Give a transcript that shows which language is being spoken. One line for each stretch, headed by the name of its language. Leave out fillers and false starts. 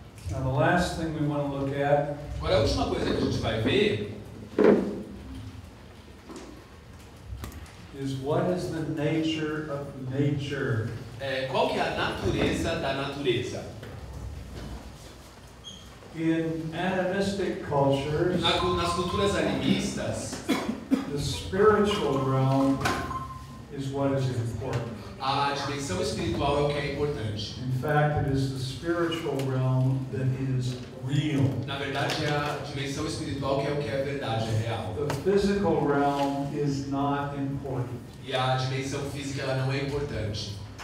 English: Now, the last thing we want to look at,
Portuguese: agora a última coisa que a gente vai ver
English: is what is the nature of nature.
Portuguese: É, qual que é a natureza da natureza?
English: In animistic cultures,
Portuguese: nas culturas animistas,
English: the spiritual realm is what is important.
Portuguese: A dimensão espiritual é o que é importante.
English: In fact, it is the spiritual realm that is real.
Portuguese: Na verdade, a dimensão espiritual que é o que é verdade, é real.
English: The physical realm is not important.
Portuguese: E a dimensão física, ela não é importante.